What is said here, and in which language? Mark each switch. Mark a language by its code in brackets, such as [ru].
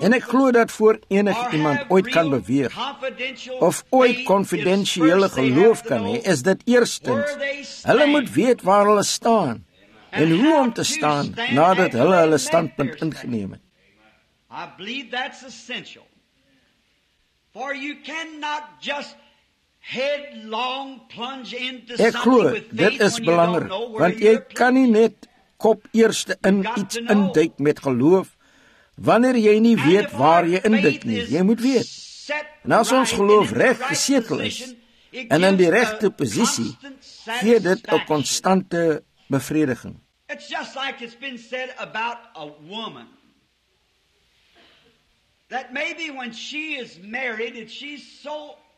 [af] en ek glo dat voor enig iemand ooit kan beweeg of ooit confidentiële geloof kan hê, is dit eerstens, hulle moet weet waar hulle staan en hoe om te staan nadat hulle hulle standpunt ingeneem het. [en] I believe that's essential. For you cannot just headlong plunge into something with faith when you don't know where you're going. [af] Want jy kan nie net kop eerste in iets induik met geloof wanneer jy nie weet waar jy induik nie. Jy moet weet. En as ons geloof reg gesetel is en in die regte posisie, gee dit 'n konstante bevrediging. [en] It's just like it's been said about a woman. That maybe when she is married, if she's so